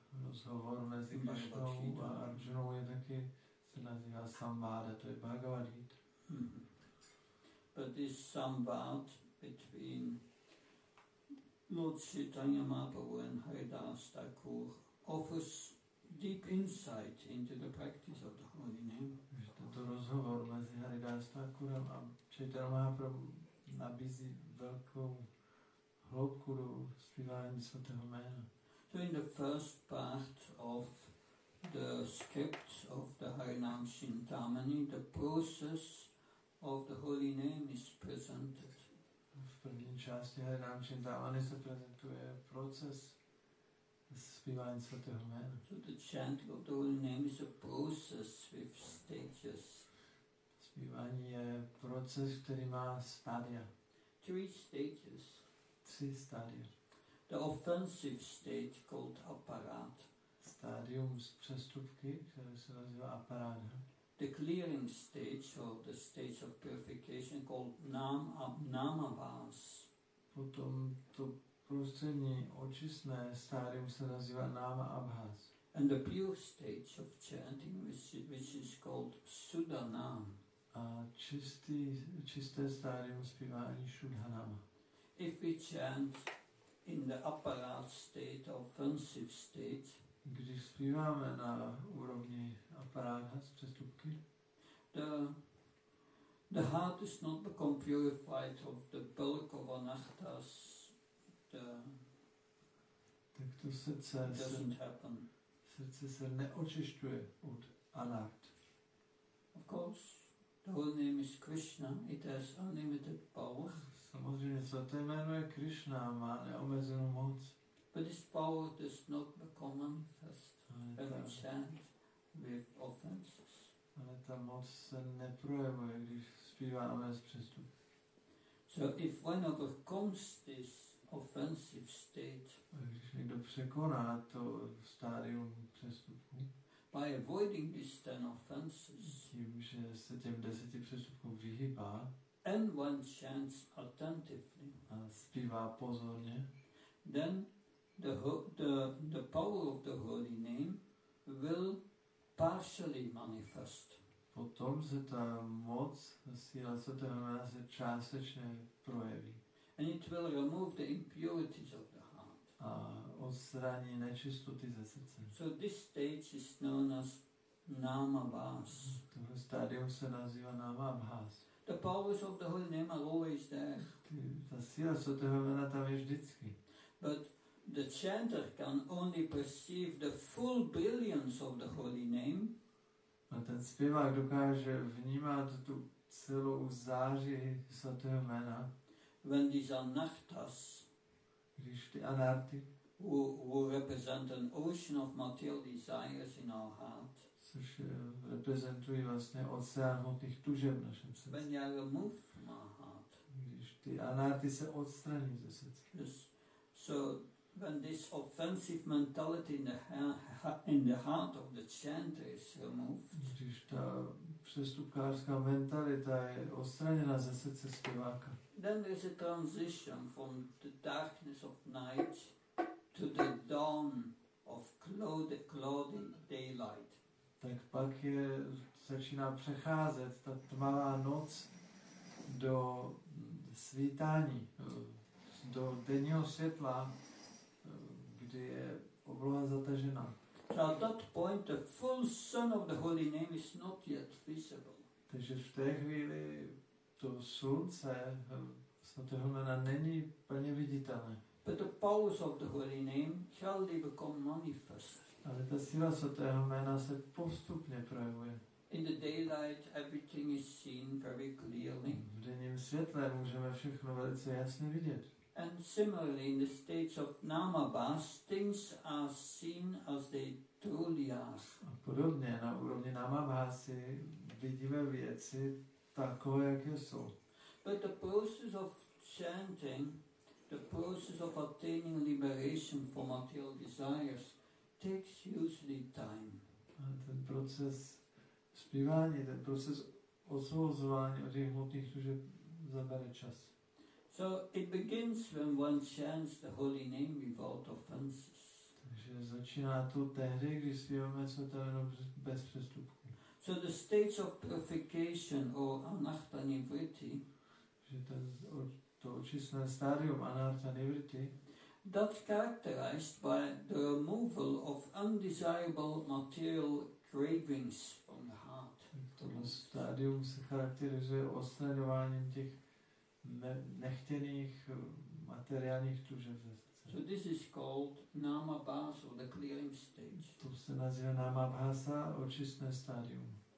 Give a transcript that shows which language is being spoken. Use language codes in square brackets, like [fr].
[cs] Rozhovor mezi Krishnou a Arjunou je taky se nazývá samvada, to je Bhagavad Gita. [en] But this samvad between Lord Chaitanya Mahaprabhu and Haridas Thakur offers deep insight into the practice of the holy name. [cs] Tento rozhovor mezi Haridas Thakurem a Chaitanya Mahaprabhu nabízí velkou hloubku do zpívání svatého jména. [en] So in the first part of the script of the Harinam Chintamani, the process of the holy name is presented. [cs] V první části Harinam Chintamani se prezentuje proces zpívání svatého jména. [en] So the chant of the holy name is a process with stages. [cs] Zpívání je proces, který má stádia. [en] Three stages. [cs] Tři stádia. [en] The offensive stage called aparát. [cs] Stádium z přestupky, které se nazývá aparát. [en] The clearing stage or the stage of purification called nam namavas. [cs] Potom to prostřední očistné stádium se nazývá náma abhas. [en] And the pure stage of chanting, which is called sudhanam. [cs] A čisté stádium zpívání sudhanama. [en] If we chant in the aparat state, offensive state, [cs] když zpíváme na úrovni aparáthas, přestupky, [en] the heart is not become purified of the bulk of anahtas, [cs] tak to srdce [en] doesn't happen. [cs] Srdce se neočišťuje od anart. [en] Of course, the whole name is Krishna, it has unlimited power. [cs] Samozřejmě, svaté jméno je Krishna, má neomezenou moc. [en] But this power does not become manifest when we chant with offenses. [cs] Ale ta moc se neprojevuje, když zpíváme s přestupkem. [en] So if one overcomes this offensive state, [cs] když někdo překoná to stádium přestupku, [en] by avoiding these 10 offenses, [cs] tím, že se těm 10 přestupkům vyhýbá, [en] and one chants attentively, [cs] a zpívá pozorně, [en] then the power of the holy name will partially manifest. [cs] Potom se ta moc, síla svatého jména se částečně projeví. [en] And it will remove the impurities of the heart. [cs] A odstraní nečistoty ze srdce. [en] So this stage is known as namabhas. [cs] Tohle stádium se nazývá namabhas. [en] The powers of the holy name are always there. [cs] Ta síla svatého jména tam je vždycky. [en] But the chanter can only perceive the full brilliance of the holy name. [cs] A ten zpěvák dokáže vnímat tu celou záři svatého jména. [en] When these anartas, [cs] když ty anarty, [en] who represent an ocean of material desires in our heart, [cs] což reprezentují vlastně oceán hmotných tužeb v našem srdci. [en] When you remove from our heart, [cs] když ty anarty se odstraní ze srdce. [en] Yes. So when this offensive mentality in the heart of the chanter is removed, [cs] když ta přestupkářská mentalita je odstraněna ze srdce zpěváka, [en] then there is a transition from the darkness of night to the dawn of cloudy daylight. [cs] Tak pak je začíná přecházet ta tmavá noc do svítání, do denního světla, kdy je obloha zatažena. [en] So at that point the full sun of the holy name is not yet visible. [cs] Takže v té chvíli to slunce svatého jména není plně viditelné. [en] But the power of the holy name shall become manifest. [cs] Ale ta síla svatého jména se postupně projevuje. [en] In the daylight, everything is seen very clearly. [cs] V denním světle můžeme všechno velice jasně vidět. [en] And similarly, in the states of Namabas, things are seen as they truly are. [cs] A podobně na úrovni Namabasy vidíme věci takové, jaké jsou. [en] But the process of chanting, the process of attaining liberation from material desires, takes usually time. [cs] A ten proces zpívání, ten proces osvobozování od těch hmotných tužeb zabere čas. [en] So it begins when one chants the holy name without offenses. [cs] Takže začíná to tehdy, když zpíváme svatého jméno bez přestupku. [en] So the stage of purification or anartha nivritti, [cs] že to očistné stádium anartha nivritti, [en] that's characterized by the removal of undesirable material cravings from the heart. [cs] Tohle stádium se charakterizuje odstraňováním těch nechtěných materiálních tužeb. [en] So this is called Namabhasa, the clearing stage. [cs] To se nazývá Namabhasa, očistné stádium.